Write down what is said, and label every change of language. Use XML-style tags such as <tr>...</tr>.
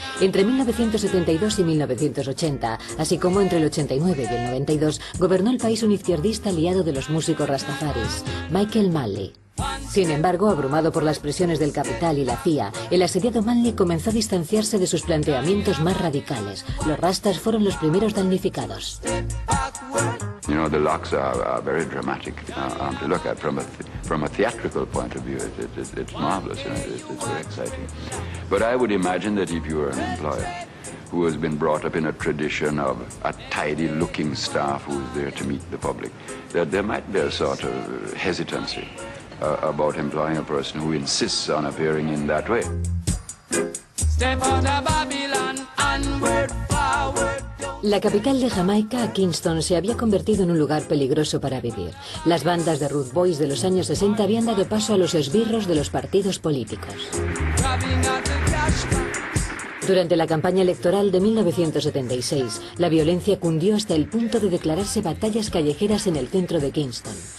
<es>Entre 1972 y 1980, así como entre el 89 y el 92, gobernó el país un izquierdista aliado de los músicos rastafaris, Michael Malley. Sin embargo, abrumado por las presiones del capital y la CIA, el asediado Manley comenzó a distanciarse de sus planteamientos más radicales. Los rastas fueron los primeros damnificados.</es> <en>You know, the locks are very dramatic to look at from a theatrical point of view. It's marvelous, you know, it's very exciting. But I would imagine that if you were an employer who has been brought up in a tradition of a tidy-looking staff who's there to meet the public, that there might be a sort of hesitancy about employing a person who insists on appearing in that way.</en> <es>La capital de Jamaica, Kingston, se había convertido en un lugar peligroso para vivir. Las bandas de Rude Boys de los años 60 habían dado paso a los esbirros de los partidos políticos. Durante la campaña electoral de 1976, la violencia cundió hasta el punto de declararse batallas callejeras en el centro de Kingston.</es>